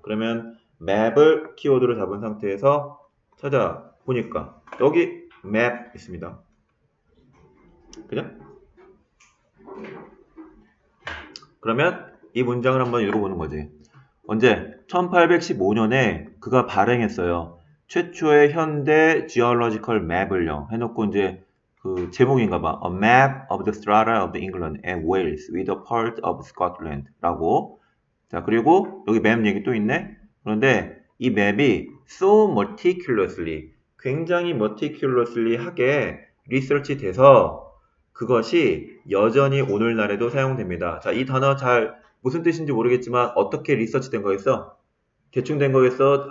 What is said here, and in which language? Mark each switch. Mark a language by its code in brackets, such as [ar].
[ko] 그러면 맵을 키워드로 잡은 상태에서 찾아보니까 여기 맵 있습니다. 그죠? 그러면 이 문장을 한번 읽어보는 거지. 언제? 1815년에 그가 발행했어요. 최초의 현대 지올로지컬 맵을요. 해놓고 이제 그 제목인가 봐. [en] A map of the strata of England and Wales with a part of Scotland [ko] 라고. 자, 그리고 여기 맵 얘기 또 있네. 그런데 이 맵이 [en] so meticulously, [ko] 굉장히 meticulously 하게 리서치 돼서 그것이 여전히 오늘날에도 사용됩니다. 자, 이 단어 잘 무슨 뜻인지 모르겠지만 어떻게 리서치 된 거겠어? 대충 된 거겠어?